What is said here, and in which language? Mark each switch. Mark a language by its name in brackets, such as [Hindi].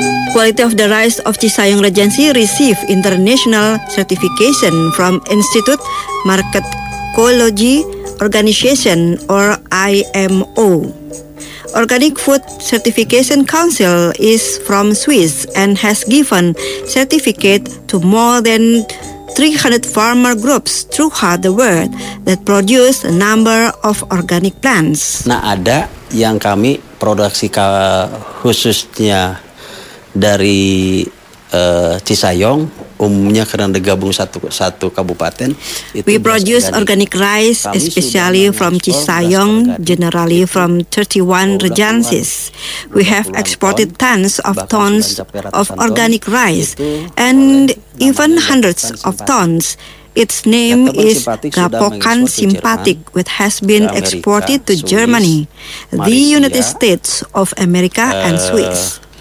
[English] Quality of the rice of Cisayong Regency received international certification from Institute Market Ecology Organization or IMO. Organic Food Certification Council is from Swiss and has given certificate to more than 300 farmer groups throughout the world that produce a number of organic plants. [Indonesian] Nah, ada yang kami produksi khususnya dari Cisayong, umumnya karena digabung satu kabupaten. [English] We produce organic rice especially from Cisayong, generally from 31 regencies. We have exported tons of organic rice and even hundreds of tons. Its name is Gapokan Simpatik, which has been exported to Germany, the United States of America and Swiss.